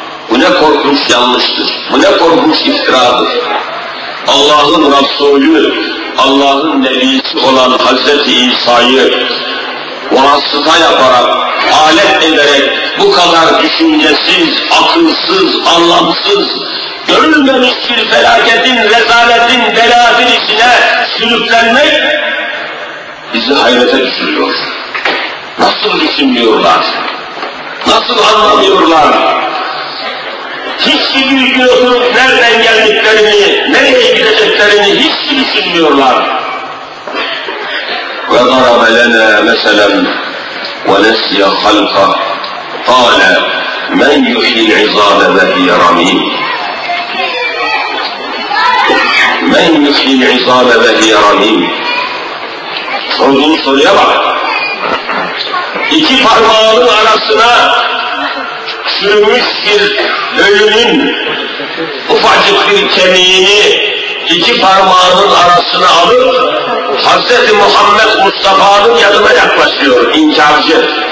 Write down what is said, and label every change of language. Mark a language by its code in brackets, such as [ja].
[tr] Bu ne korkunç yanlıştır, bu ne korkunç iftiradır. Allah'ın Resulü, Allah'ın Nebisi olan Hazreti İsa'yı vasıta yaparak, alet ederek bu kadar düşüncesiz, akılsız, anlamsız, görülmemiş bir felaketin, rezaletin, belâtin içine sürüklenmek bizi hayrete düşürüyor. Nasıl düşünüyorlar? Nasıl anlamıyorlar? Hiçbir bilgi yok, nereden geldiklerini, nereye gideceklerini hiç düşünmüyorlar. [ar] وَضَرَبَ لَنَا مَسَلًا وَنَسْيَ خَلْقَهُ قَالَ مَنْ يُحْيِي الْعِظَامَ وَهِيَ رَمِيمٌ مَنْ يُحْيِي الْعِظَامَ وَهِيَ رَمِيمٌ [tr] Sorduğunu soruya bak. İki parmağının arasına çürümüş bir ölünün ufacık bir kemiğini iki parmağının arasına alıp Hazreti Muhammed Mustafa'nın yanına yaklaşıyor inkarcı.